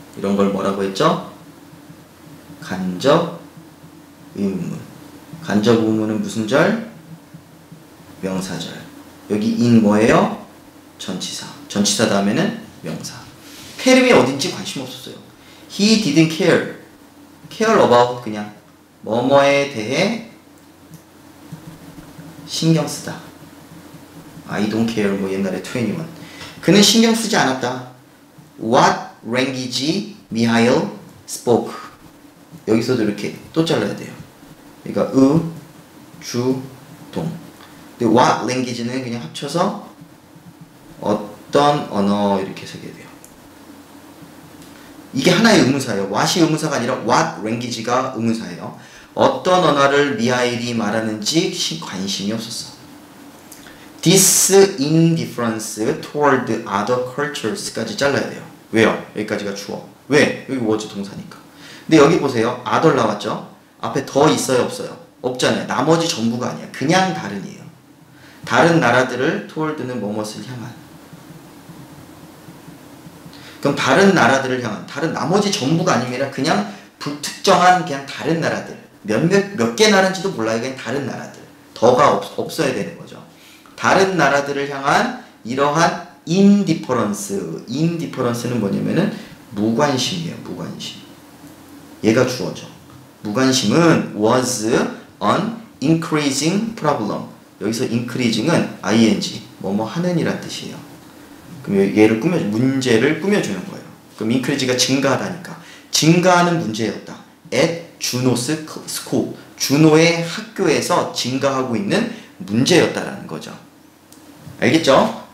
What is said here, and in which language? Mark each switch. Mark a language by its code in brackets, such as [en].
[ko] 이런 걸 뭐라고 했죠? 간접 의문. 간접 의문은 무슨 절? 명사절. 여기 in 뭐예요? 전치사. 전치사 다음에는 명사. 페름이 어딘지 관심 없었어요. [en] He didn't care. care about [ko] 그냥. 뭐뭐에 대해 신경쓰다. [en] I don't care. [ko] 뭐 옛날에 21. 그는 신경쓰지 않았다. [en] What language Mihail spoke. [ko] 여기서도 이렇게 또 잘라야 돼요. 그러니까 으, 주, 동. 근데 what language는 그냥 합쳐서 어떤 언어 이렇게 쓰게 돼요. 이게 하나의 의문사예요. what이 의문사가 아니라 what language가 의문사예요. 어떤 언어를 미하일이 말하는지 관심이 없었어. [en] This indifference toward other cultures까지 [ko] 잘라야 돼요. 왜요? 여기까지가 주어. 왜? 여기 was 동사니까. 근데 여기 보세요. other 나왔죠? 앞에 더 있어요? 없어요? 없잖아요. 나머지 전부가 아니야. 그냥 다른이에요. 다른 나라들을 toward는 뭐뭐를 향한. 그럼 다른 나라들을 향한. 다른 나머지 전부가 아닙니다. 그냥 불특정한 그냥 다른 나라들. 몇 개 나라인지도 몰라요. 그냥 다른 나라들. 더가 없어야 되는 거죠. 다른 나라들을 향한 이러한 indifference. indifference는 뭐냐면은 무관심이에요. 무관심. 얘가 주어죠. 무관심은 [en] was an increasing problem. [ko] 여기서 increasing은 ing. 뭐뭐 하는이란 뜻이에요. 그럼 얘를 꾸며주, 문제를 꾸며주는 거예요. 그럼 increase가 증가하다니까. 증가하는 문제였다. [en] at Juno's school. [ko] 준호의 학교에서 증가하고 있는 문제였다라는 거죠. 알겠죠?